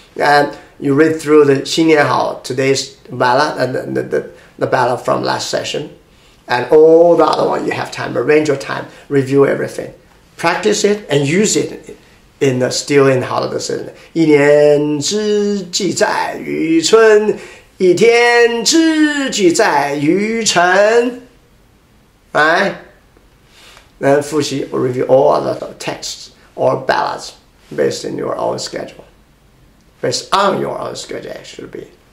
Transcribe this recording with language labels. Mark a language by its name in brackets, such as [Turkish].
[English] And you read through the [Chinese] 新年好 [English] today's ballad and the ballad from last session. And all the other one, you have time, arrange your time, review everything. Practice it and use it in the holiday season. [Chinese] 一年之计在于春，一天之计在于晨。 [English] Right? Then 复习 or review all other texts or ballads based in your own schedule. Based on your own schedule, it should be.